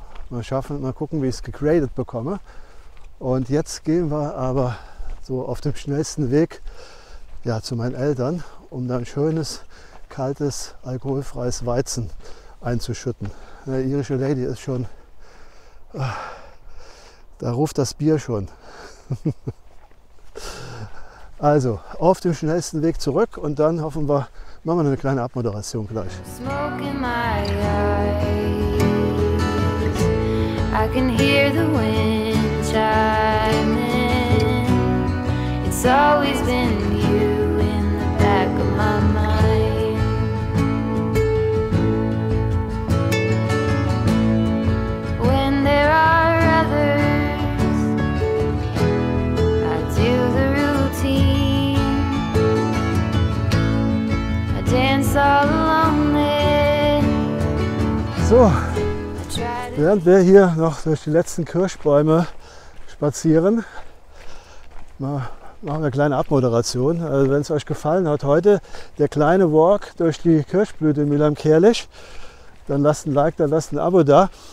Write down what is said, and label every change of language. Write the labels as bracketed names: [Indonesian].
[German] Mal gucken, wie ich es gegradet bekomme. Und jetzt gehen wir aber so auf dem schnellsten Weg zu meinen Eltern, um da ein schönes, kaltes, alkoholfreies Weizen einzuschütten. Eine irische Lady ist schon, da ruft das Bier schon. Also, auf dem schnellsten Weg zurück und dann hoffen wir, machen wir eine kleine Abmoderation gleich. [English] Smoke in my eyes. I can hear the wind chiming. It's always been you in the back of my mind. When there are others, I do the routine. I dance all along there. [German] So, während wir hier noch durch die letzten Kirschbäume spazieren, machen wir eine kleine Abmoderation. Also wenn es euch gefallen hat heute, der kleine Walk durch die Kirschblüte in Mülheim-Kärlich, dann lasst ein Like, dann lasst ein Abo da.